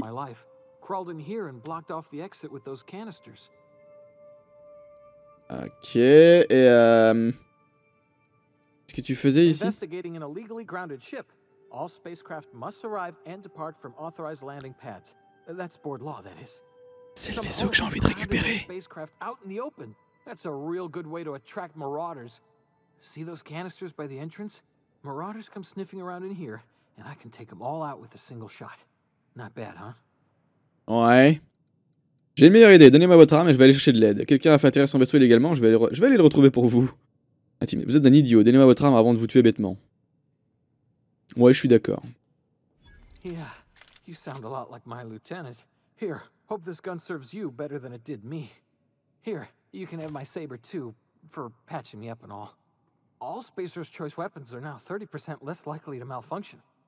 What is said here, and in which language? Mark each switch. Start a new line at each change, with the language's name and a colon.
English: Crawled in here and blocked off the exit with those canisters.
French: Ok, et qu'est-ce que tu faisais ici?
English: Investigating an illegally grounded ship. All spacecraft must arrive and depart from authorized landing pads. That's board law, that is.
French: C'est le vaisseau que j'ai envie de récupérer.
English: Spacecraft out in the open. That's a real good way to attract marauders. See those canisters by the entrance? Marauders come sniffing around in here, and I can take them all out with a single shot. Not bad, huh?
French: Ouais. J'ai une meilleure idée. Donnez-moi votre arme et je vais aller chercher de l'aide. Quelqu'un a fait atterrir son vaisseau illégalement. Je vais aller le retrouver pour vous. Attends, vous êtes un idiot. Donnez-moi votre arme avant de vous tuer bêtement. Ouais, je suis d'accord.
English: Yeah, you sound a lot like my lieutenant. Here, hope this gun serves you better than it did me. Here, you can have my saber too, for patching me up and all. All Spacer's choice weapons are now 30% less likely to malfunction.